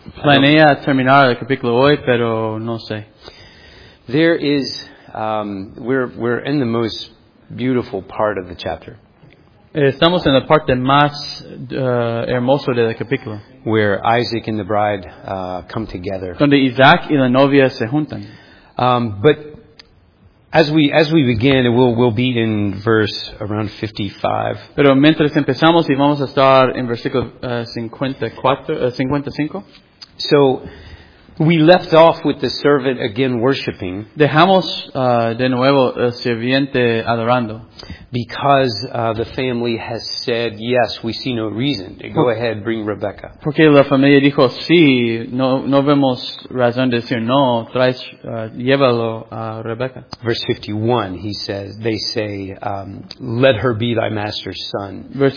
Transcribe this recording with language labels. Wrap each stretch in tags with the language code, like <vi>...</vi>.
<es>Planea terminar el capítulo hoy, pero no sé.</es> <en>There is... we're in the most beautiful part of the chapter.</en> <es>Estamos en la parte más hermosa del capítulo.</es> <en>Where Isaac and the bride come together.</en> <es>Donde Isaac y la novia se juntan.</es> <en>But as we begin, we'll be in verse around 55.</en> <es>Pero mientras empezamos y vamos a estar en versículo 55.</es> <en>So we left off with the servant again worshiping.</en> <es>Dejamos de nuevo el sirviente adorando.</es> <en>Because the family has said, yes, we see no reason. Go ahead, bring Rebecca.</en> <es>Porque la familia dijo, sí, no vemos razón de decir no, traes, llévalo a Rebecca.</es> <en>Verse 51, he says, they say, let her be thy master's son.</en>